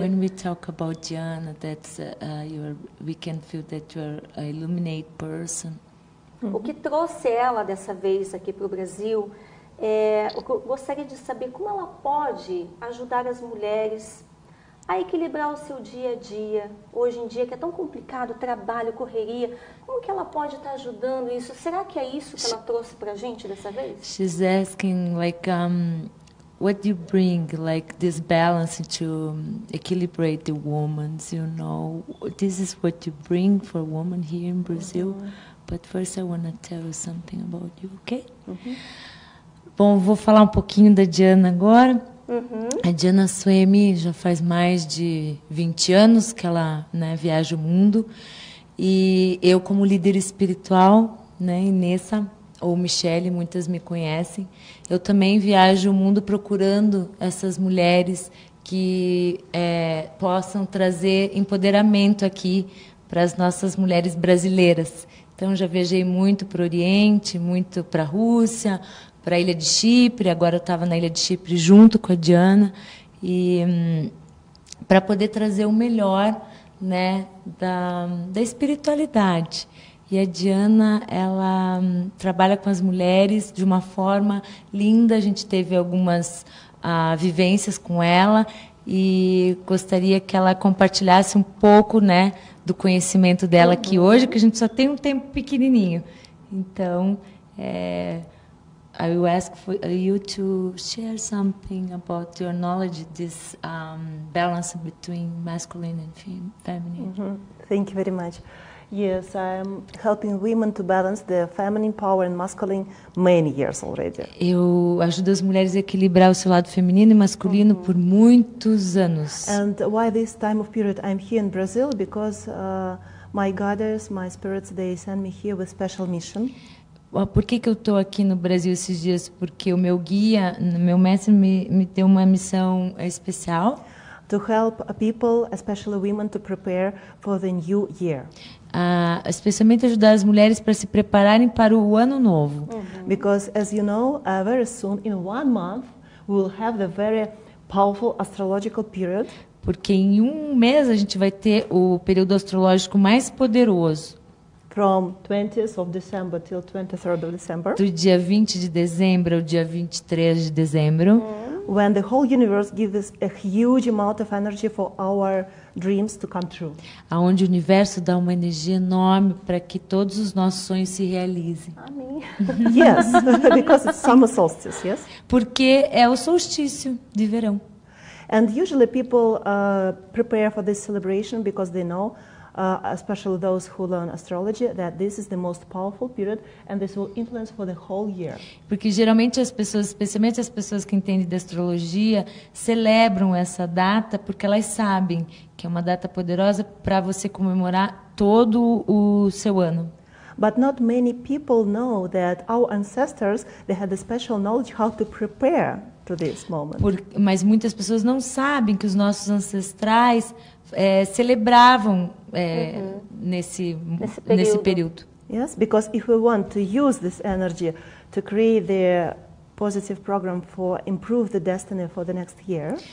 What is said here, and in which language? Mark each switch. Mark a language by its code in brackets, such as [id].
[en] When we talk about Diana, that's we can feel that you're an illuminated person. [pt] O que trouxe ela dessa vez aqui para o Brasil? Eu gostaria de saber como ela pode ajudar as mulheres a equilibrar o seu dia a dia, hoje em dia, que é tão complicado, trabalho, correria. Como que ela pode estar ajudando isso? Será que é isso que ela trouxe para a gente dessa vez? [en] She's asking, like, what do you bring, like, this balance to equilibrate the woman, you know? This is what you bring for a woman here in Brazil. But first I want to tell you something about you, okay? [pt] Bom, vou falar um pouquinho da Diana agora. A Diana Suemi já faz mais de 20 anos que ela, né, viaja o mundo. E eu, como líder espiritual, né, Inessa ou Michele, muitas me conhecem, eu também viajo o mundo procurando essas mulheres que possam trazer empoderamento aqui para as nossas mulheres brasileiras. Então, já viajei muito para o Oriente, muito para a Rússia, para a Ilha de Chipre. Agora eu estava na Ilha de Chipre junto com a Diana, e para poder trazer o melhor, né, da espiritualidade. E a Diana, ela trabalha com as mulheres de uma forma linda. A gente teve algumas vivências com ela e gostaria que ela compartilhasse um pouco, né, do conhecimento dela aqui hoje, que a gente só tem um tempo pequenininho. Então, [en] I will ask for you to share something about your knowledge, this balance between masculine and feminine. Thank you very much. Yes, I'm helping women to balance their feminine power and masculine many years already. [pt] Eu ajudo as mulheres a equilibrar o seu lado feminino e masculino por muitos anos. [en] And why this time of period I'm here in Brazil? Because my goddess, my spirits, they send me here with special mission. [pt] Por que eu estou aqui no Brasil esses dias? Porque o meu guia, meu mestre, me deu uma missão especial. [en] To help people, especially women, to prepare for the new year. [pt] Especialmente ajudar as mulheres para se prepararem para o ano novo. [en] Because, as you know, very soon, in one month, we'll have the very powerful astrological period. [pt] Porque em um mês a gente vai ter o período astrológico mais poderoso. [en] From 20th of December till 23rd of December. [pt] Do dia 20 de dezembro ao dia 23 de dezembro. [en] When the whole universe gives a huge amount of energy for our dreams to come true. [pt] Aonde o universo dá uma energia enorme para que todos os nossos sonhos se realizem. Amém. [en] Yes, because it's summer solstice, yes? [pt] Porque é o solstício de verão. [en] And usually people prepare for this celebration because they know, especially those who learn astrology, that this is the most powerful period and this will influence for the whole year. [pt] Porque geralmente as pessoas, especialmente as pessoas que entendem de astrologia, celebram essa data porque elas sabem que é uma data poderosa para você comemorar todo o seu ano. [en] But not many people know that our ancestors, they had a special knowledge how to prepare to this moment. [pt] Mas muitas pessoas não sabem que os nossos ancestrais celebravam nesse período. [en] Yes, because if we want to use this energy to create the positive program for improve the destiny for the next year.